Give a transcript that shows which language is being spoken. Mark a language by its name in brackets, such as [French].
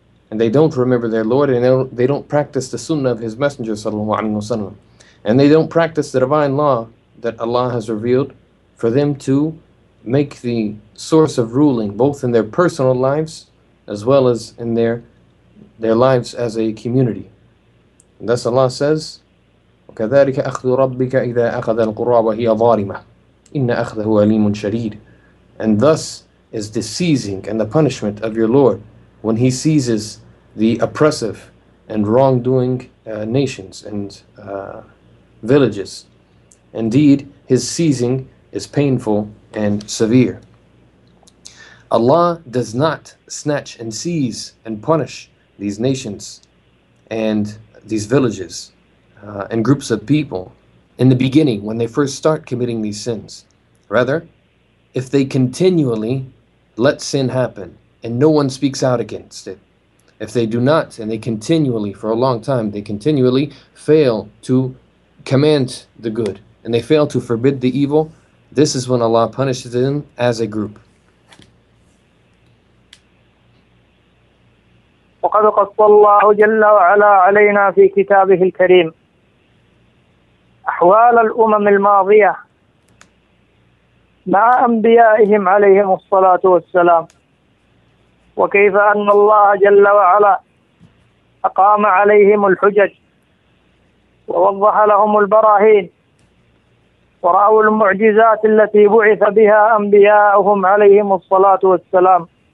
[English] And they don't remember their Lord, and they don't practice the Sunnah of His Messenger sallallahu alaihi wasallam, and they don't practice the divine law that Allah has revealed for them to make the source of ruling both in their personal lives as well as in their their lives as a community. And thus Allah says, [Arabic] وَكَذَٰلِكَ أَخْذُ رَبِّكَ إِذَا أَخَذَ الْقُرَىٰ وَهِيَ ظَالِمَةٌ إِنَّ أَخْذَهُ أَلِيمٌ شَدِيدٌ. [English] And thus is the seizing and the punishment of your Lord when He seizes the oppressive and wrongdoing nations and villages. Indeed, His seizing is painful and severe. Allah does not snatch and seize and punish these nations and these villages and groups of people in the beginning when they first start committing these sins. Rather, if they continually let sin happen and no one speaks out against it, if they do not and they continually for a long time, they continually fail to command the good and they fail to forbid the evil, this is when Allah punishes them as a group. [Arabic] وقد قص الله جل وعلا علينا في كتابه الكريم أحوال الأمم الماضية مع أنبيائهم عليهم الصلاة والسلام، وكيف أن الله جل وعلا أقام عليهم الحجج ووضح لهم البراهين ورأوا المعجزات التي بعث بها أنبياؤهم عليهم الصلاة والسلام،